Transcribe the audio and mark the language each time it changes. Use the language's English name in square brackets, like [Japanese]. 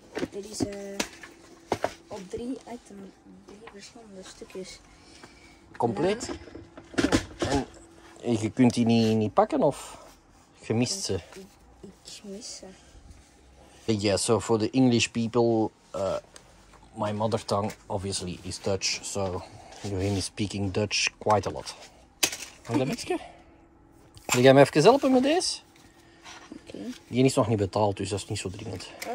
[Dutch] Dit is op 3 item 3 verschillende stukjes. Compleet? Ja. En je kunt die niet pakken of gemist ze? Ik mis ze. [English] Yeah, so for the English people, my mother tongue obviously is Dutch, so you hear me speaking Dutch quite a lot. [Dutch] En dan ietsje? Wil jij me even helpen met deze? Oké. Okay. Die is nog niet betaald, dus dat is niet zo dringend.